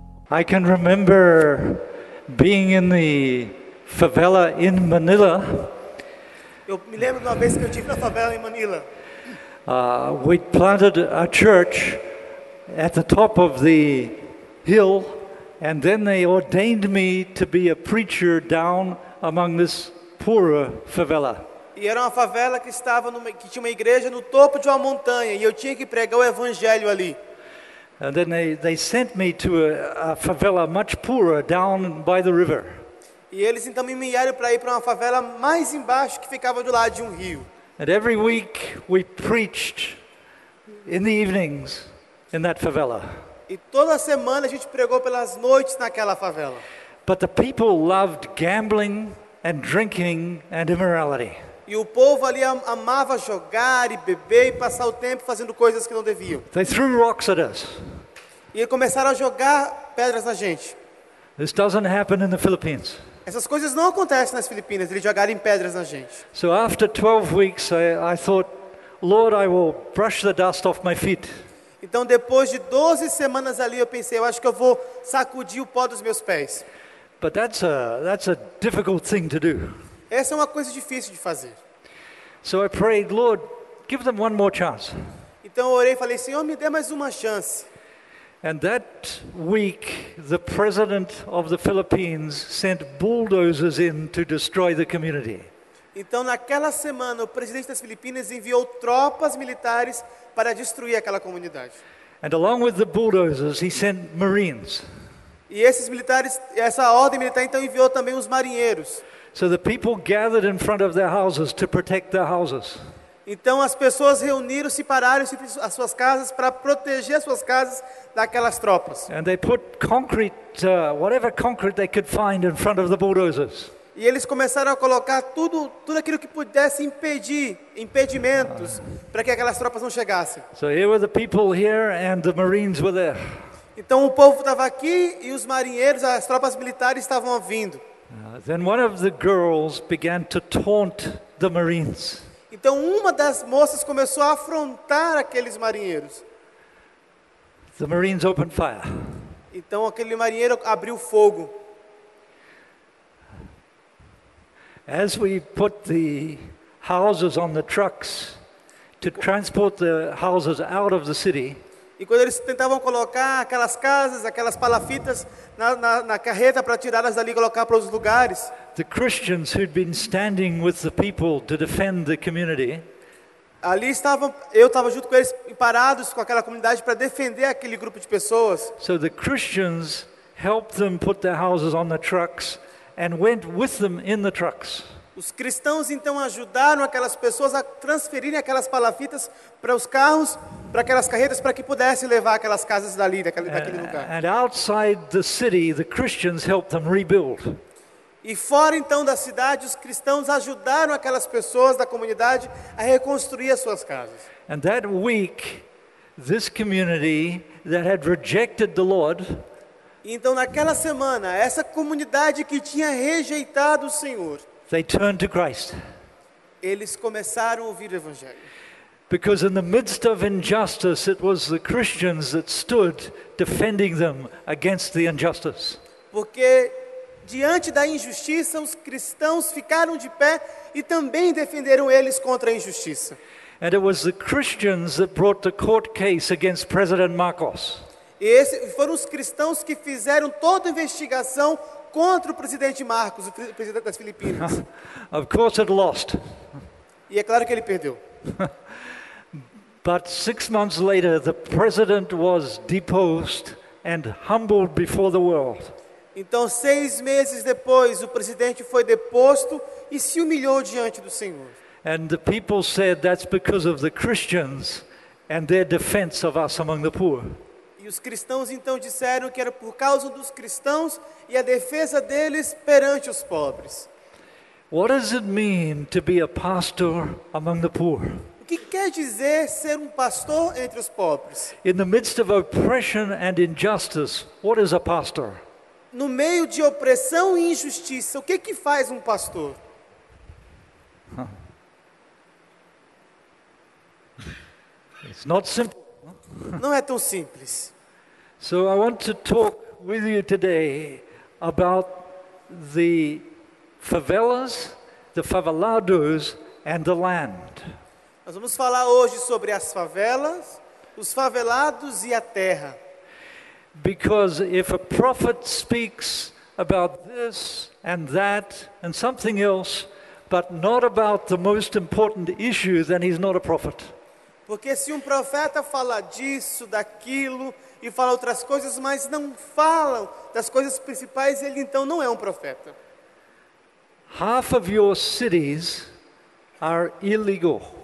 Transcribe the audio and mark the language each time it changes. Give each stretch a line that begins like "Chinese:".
English: I can remember being in the favela in Manila.
Portuguese: Eu me lembro de uma vez que eu tive na favela em Manila.
English: We planted a church at the top of the hill, and then they ordained me to be a preacher down among this poorer favela.
Portuguese: E era uma favela que estava numa, que tinha uma igreja no topo de uma montanha, e eu tinha que pregar o evangelho ali.
English: And then they sent me to a favela much poorer down by the river.
Portuguese: E eles então me enviaram para ir para uma favela mais embaixo que ficava do lado de um rio.
English: And every week we preached in the evenings in that favela.
Portuguese: E toda semana a gente pregou pelas noites naquela favela.
English: But the people loved gambling and drinking and immorality.
Portuguese: E o povo ali amava jogar e beber e passar o tempo fazendo coisas que não deviam.
English: They threw rocks at us.
Portuguese: E começaram a jogar pedras na gente.
English: This doesn't happen in the Philippines.
Portuguese: Essas coisas não acontecem nas Filipinas, eles jogarem pedras na gente.
English: So after 12 weeks I thought, Lord, I will brush the dust off my feet.
Portuguese: Então depois de 12 semanas ali eu pensei, eu acho que eu vou sacudir o pó dos meus pés.
English: But that's a difficult thing to do.
Portuguese: Essa é uma coisa difícil de fazer.
English: So I prayed, Lord, give them one more chance.
Portuguese: Então eu orei e falei, Senhor, me dê mais uma chance.
English: And that week, the president of the Philippines sent bulldozers in to destroy the community.
Portuguese: Então naquela semana, o presidente das Filipinas enviou tropas militares para destruir aquela comunidade.
English: And along with the bulldozers, he sent marines.
Portuguese: E esses militares, essa ordem militar então enviou também os marinheiros.
English: So the people gathered in front of their houses to protect their houses.
Portuguese: Então as pessoas reuniram-se e pararam-se as suas casas para proteger as suas casas daquelas tropas.
English: And they put concrete, whatever concrete they could find in front of the bulldozers.
Portuguese: E eles começaram a colocar tudo aquilo que pudesse impedimentos para que aquelas tropas não chegassem.
English: So here were the people here and the marines were there.
Portuguese: Então o povo estava aqui e os marinheiros, as tropas militares estavam vindo.
English: Then one of the girls began to taunt the marines.
Portuguese: Então uma das moças começou a afrontar aqueles marinheiros.
English: The marines opened fire.
Portuguese: Então aquele marinheiro abriu fogo.
English: As we put the houses on the trucks to transport the houses out of the city.
Portuguese: E quando eles tentavam colocar aquelas casas, aquelas palafitas na carreta para tirá-las dali e colocar para outros lugares.
English: The Christians who'd been standing with the people to defend the community.
Portuguese: Ali estavam, eu estava junto com eles, parados com aquela comunidade para defender aquele grupo de pessoas.
English: So the Christians helped them put their houses on the trucks and went with them in the trucks.
Portuguese: Os cristãos então ajudaram aquelas pessoas a transferirem aquelas palafitas para os carros, para aquelas carretas, para que pudessem levar aquelas casas dali, daquele lugar.
English: And outside the city, the Christians helped them rebuild.
Portuguese: E fora então da cidade, os cristãos ajudaram aquelas pessoas da comunidade a reconstruir as suas casas.
English: And that week, this community that had rejected the Lord.
Portuguese: Então naquela semana, essa comunidade que tinha rejeitado o Senhor.
English: They turned to Christ.
Portuguese: Eles começaram a ouvir o evangelho.
English: Because in the midst of injustice, it was the Christians that stood defending them against the injustice.
Portuguese: Porque diante da injustiça, os cristãos ficaram de pé e também defenderam eles contra a injustiça.
English: And it was the Christians that brought the court case against President Marcos.
Portuguese: E foram os cristãos que fizeram toda a investigação contra o presidente Marcos, o presidente das Filipinas.
English: Of course it lost.
Portuguese: E é claro que ele perdeu.
English: But 6 months later, the president was deposed and humbled before the world.
Portuguese: Então, 6 meses depois, o presidente foi deposto e se humilhou diante do Senhor.
English: And the people said that's because of the Christians and their defense of us among the poor.
Portuguese: E os cristãos então disseram que era por causa dos cristãos e a defesa deles perante os pobres.
English: What does it mean to be a pastor among the poor?
Portuguese: O que quer dizer ser um pastor entre os pobres?
English: In the midst of oppression and injustice, what is a pastor?
Portuguese: No meio de opressão e injustiça, o que que faz um pastor?
English: It's not simple.
Portuguese: Não é tão simples.
English: So I want to talk with you today about the favelas, the favelados, and the land.
Portuguese: Nós vamos falar hoje sobre as favelas, os favelados e a terra.
English: Because if a prophet speaks about this and that and something else, but not about the most important issue, then he's not a prophet.
Portuguese: Porque se profeta fala disso, daquilo, e fala outras coisas, mas não fala das coisas principais, ele então não é profeta.
English: Half of your cities are illegal.